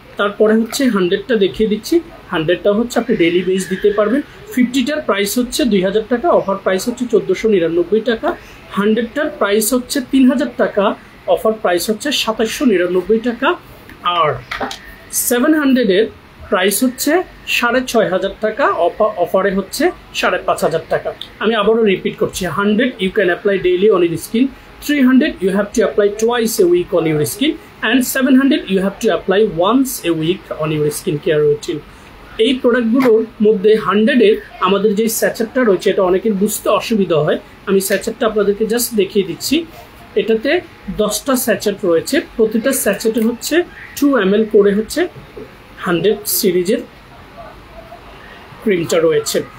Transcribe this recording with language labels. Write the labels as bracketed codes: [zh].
[bn] তারপরে হচ্ছে 100টা দেখিয়ে দিচ্ছি, 100টা হচ্ছে আপনি ডেইলি বেস দিতে পারবেন, 50টার প্রাইস হচ্ছে 2000 টাকা, অফার প্রাইস হচ্ছে 1499 টাকা, 100টার প্রাইস হচ্ছে 3000 টাকা, অফার প্রাইস হচ্ছে 2799 টাকা, আর 700-এর প্রাইস হচ্ছে 6500 টাকা, অফারে হচ্ছে 5500 টাকা। [en] আমি আবারও রিপিট করছি, 100 you can apply daily on your skin, 300 you have to apply twice a week on your skin, and 700 you have to apply once a week on your skincare routine. [bn] এই প্রোডাক্টগুলোর মধ্যে 100 এর আমাদের যে স্যাচেটটা রয়েছে এটা অনেকের বুঝতে অসুবিধা হয়, আমি স্যাচেটটা আপনাদেরকে জাস্ট দেখিয়ে দিচ্ছি। এটাতে 10টা স্যাচেট রয়েছে, প্রতিটা স্যাচেটে হচ্ছে 2 ml করে হচ্ছে 100 সিরিজের ক্রিমটা রয়েছে।